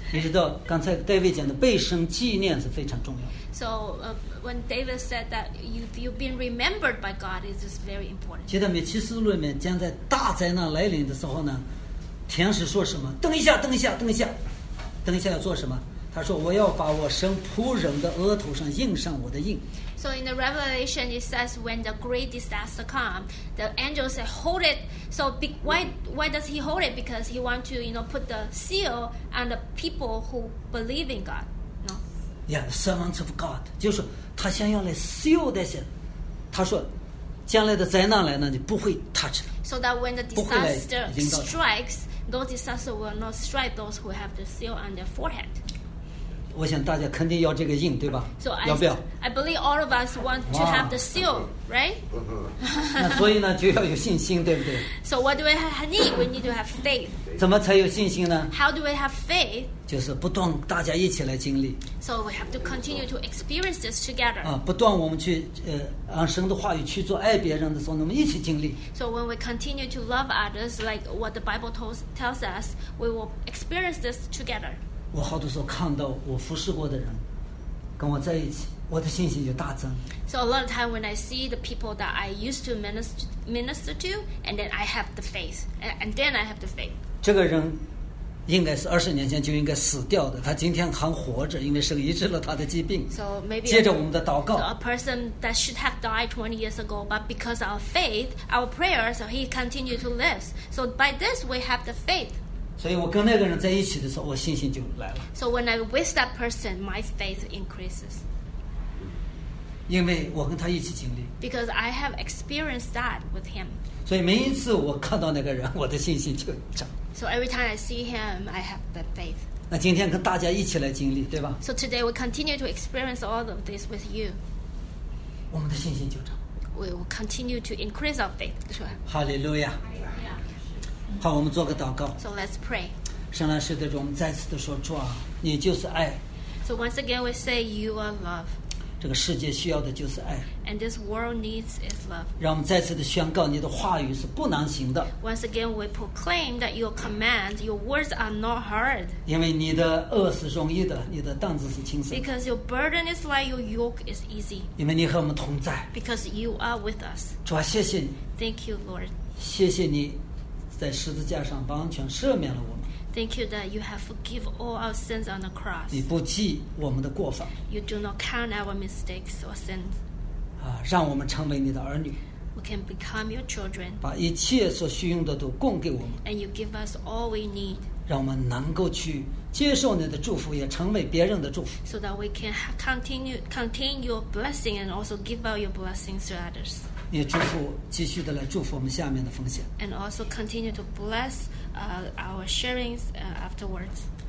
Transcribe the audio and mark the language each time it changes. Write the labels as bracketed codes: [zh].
[zh] 你知道刚才 David 讲的被神纪念是非常重要的。 [en] So when David said that you've been remembered by God, it is very important. [zh] 记得《启示录》里面将在大灾难来临的时候呢，天使说什么？等一下，等一下，等一下，等一下要做什么？他说：“我要把我神仆人的额头上印上我的印。” [en] So in the Revelation, it says when the great disaster comes, the angel said, "Hold it." So why does he hold it? Because he want to, you know, put the seal on the people who believe in God. No. Yeah, servants of God. [zh] 就是他想要来 seal 那些。他说，将来的灾难来呢，你不会 touch。 [en] So that when the disaster strikes, those disasters will not strike those who have the seal on their forehead. [zh] 我想大家肯定要这个印，对吧？ [en] So、 [zh] 要不要 [en] ？I believe all of us want to have the seal, right? [zh] 那所以呢，就要有信心，对不对 [en] ？So what do we need? We need to have faith. [zh] 怎么才有信心呢 [en] ？How do we have faith? [zh] 就是不断大家一起来经历。 [en] So we have to continue to experience this together. [zh] 啊，不断我们去按神的话语去做爱别人的时候，我们一起经历。 [en] So when we continue to love others, like what the Bible tells us, we will experience this together. [zh] 我好多时候看到我服侍过的人跟我在一起，我的信心就大增。 [en] So a lot of time when I see the people that I used to minister to, and then I have the faith, and then I have the faith. [zh] 这个人应该是二十年前就应该死掉的，他今天还活着，因为神医治了他的疾病。 [en] So maybe [zh] 接着我们的祷告。 [en] So a person that should have died 20 years ago, but because of faith, our prayer, so he continued to live. So by this, we have the faith. [zh] 所以我跟那个人在一起的时候，我信心就来了。 [en] So when I'm with that person, my faith increases. [zh] 因为我跟他一起经历。 [en] Because I have experienced that with him. [zh] 所以每一次我看到那个人，我的信心就涨。 [en] So every time I see him, I have the faith. [zh] 那今天跟大家一起来经历，对吧 [en] ？So today we continue to experience all of this with you. [zh] 我们的信心就涨。 [en] We will continue to increase our faith. [zh] Hallelujah. 好，我们做个祷告。 [en] So let's pray. [zh] 圣灵使得我们再次的说，主啊，你就是爱。 [en] So once again we say you are love. [zh] 这个世界需要的就是爱。 [en] And this world needs is love. [zh] 让我们再次的宣告，你的话语是不难行的。 [en] Once again we proclaim that your command, your words are not hard. [zh] 因为你的轭是容易的，你的担子是轻松。 [en] Because your burden is light, your yoke is easy. [zh] 因为你和我们同在。 [en] Because you are with us. [zh] 主啊，谢谢你。 [en] Thank you, Lord. [zh] 谢谢你。在十字架上完全赦免了我们。 [en] Thank you that you have forgiven all our sins on the cross. [zh] 你不记我们的过犯。 [en] You do not count our mistakes or sins. [zh] 啊，让我们成为你的儿女。 [en] We can become your children. [zh] 把一切所需用的都供给我们。 [en] And you give us all we need. [zh] 让我们能够去接受你的祝福，也成为别人的祝福。 [en] So that we can continue your blessing and also give out your blessings to others. [zh] 也祝福继续的来祝福我们下面的奉献。 [en] And also continue to bless our sharings afterwards.